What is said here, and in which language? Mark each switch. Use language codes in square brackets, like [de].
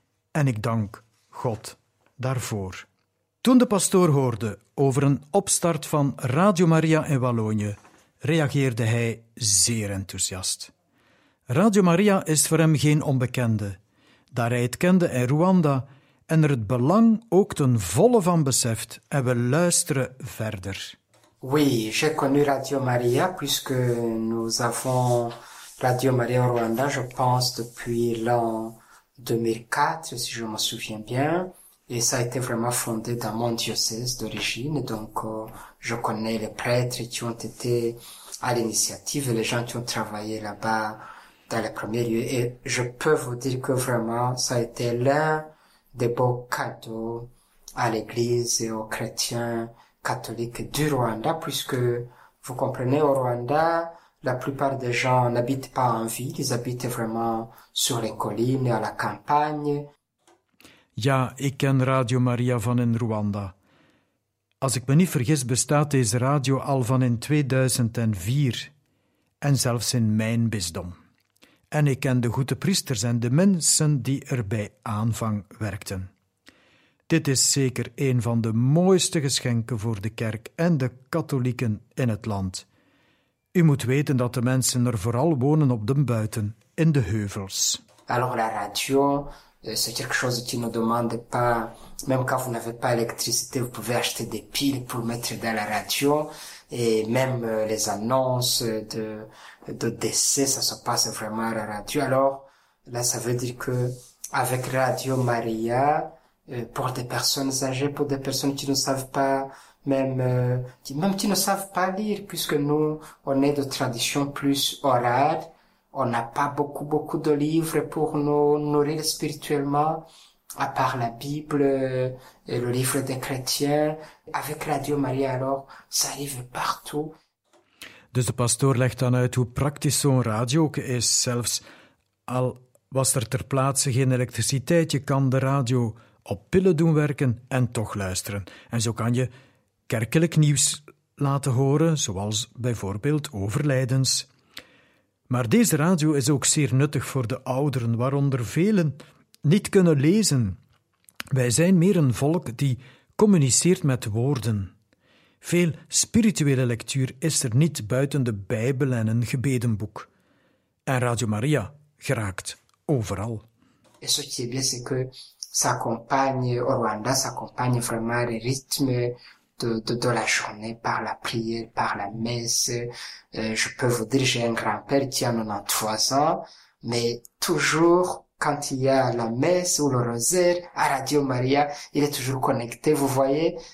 [nl] En ik dank God daarvoor. Toen de pastoor hoorde over een opstart van Radio Maria in Wallonië, reageerde hij zeer enthousiast. Radio Maria is voor hem geen onbekende, daar hij het kende in Rwanda en er het belang ook ten volle van beseft, en we luisteren verder. [fr] Oui, j'ai connu Radio Maria, puisque nous avons Radio Maria en Rwanda, je pense, depuis l'an 2004, si je me souviens bien. Et ça a été vraiment fondé dans mon diocèse d'origine. Donc, je connais les prêtres qui ont été à l'initiative, les gens qui ont travaillé là-bas dans les premiers lieux. Et je peux vous dire que vraiment, ça a été l'un des beaux cadeaux à l'Église et aux chrétiens catholiques du Rwanda, puisque, vous comprenez, au Rwanda, la plupart des gens n'habitent pas en ville, ils habitent vraiment sur les collines, à la campagne. [nl] Ja, ik ken Radio Maria van in Rwanda. Als ik me niet vergis, bestaat deze radio al van in 2004 en zelfs in mijn bisdom. En ik ken de goede priesters en de mensen die er bij aanvang werkten. Dit is zeker een van de mooiste geschenken voor de kerk en de katholieken in het land. U moet weten dat de mensen er vooral wonen op de buiten, in de heuvels. [fr] Alors la radio, c'est quelque chose qui ne demande pas, même quand vous n'avez pas l'électricité, vous pouvez acheter des piles pour mettre dans la radio. Et même les annonces de décès, ça se passe vraiment à la radio. Alors, là, ça veut dire que, avec Radio Maria, pour des personnes âgées, pour des personnes qui ne savent pas, même qui ne savent pas lire, puisque nous, on est de tradition plus orale, on n'a pas beaucoup de livres pour nous nourrir spirituellement, à part la Bible et le livre des chrétiens. Avec Radio Maria, alors, ça arrive partout. [nl] Dus de pastoor legt dan uit hoe praktisch zo'n radio ook is. Zelfs al was er ter plaatse geen elektriciteit, je kan de radio op pillen doen werken en toch luisteren. En zo kan je kerkelijk nieuws laten horen, zoals bijvoorbeeld overlijdens. Maar deze radio is ook zeer nuttig voor de ouderen, waaronder velen niet kunnen lezen. Wij zijn meer een volk die communiceert met woorden. Veel spirituele lectuur is er niet buiten de Bijbel en een gebedenboek. En Radio Maria geraakt overal. En wat is [fr] bien, c'est que ça accompagne Rwanda, ça accompagne vraiment le rythme de la journée par la prière, par la messe. Je peux vous dire, j'ai un grand-père qui a 93 ans, mais toujours, quand il y a la messe ou le rosaire à Radio Maria, il est toujours connecté, vous voyez.